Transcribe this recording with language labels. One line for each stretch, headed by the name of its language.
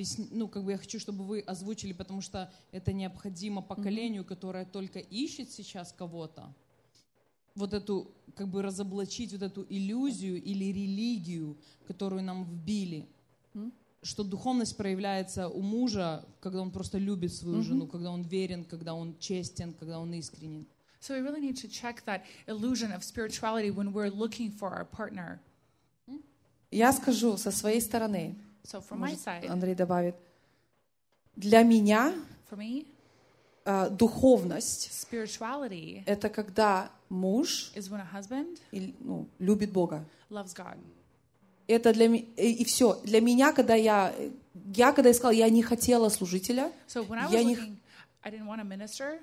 Russian: ну, как бы я хочу, чтобы вы озвучили, потому что это необходимо поколению, которое только ищет сейчас кого-то, вот эту, как бы разоблачить вот эту иллюзию или религию, которую нам вбили, что духовность проявляется у мужа, когда он просто любит свою жену, когда он верен, когда он честен, когда он искренен.
English: So we really need to check that illusion of spirituality when we're looking for our partner.
Russian: Я скажу со своей стороны.
English: So from my side,
Russian: Андрей добавит, для меня
English: for me,
Russian: духовность
English: spirituality
Russian: это когда муж
English: is when a husband
Russian: ну, любит Бога.
English: Loves God.
Russian: Это для и все. Для меня, когда я когда искала, я не хотела служителя.
English: So when I was looking, I didn't want a minister.